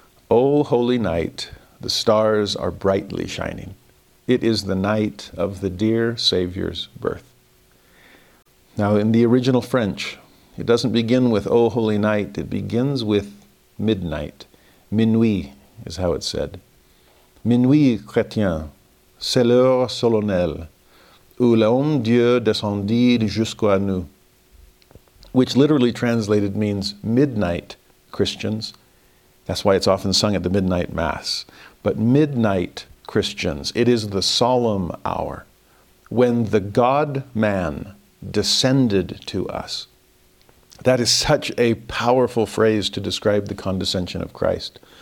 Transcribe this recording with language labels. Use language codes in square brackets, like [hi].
[en] O Holy Night, the stars are brightly shining. It is the night of the dear Savior's birth. Now, in the original French, it doesn't begin with O Holy Night. It begins with midnight. Minuit is how it's said. [fr] Minuit, chrétien, c'est l'heure solennelle où l'homme Dieu descendit jusqu'à nous. [en] Which literally translated means midnight, Christians. That's why it's often sung at the midnight mass. But midnight, Christians, it is the solemn hour when the God-man descended to us. That is such a powerful phrase to describe the condescension of Christ.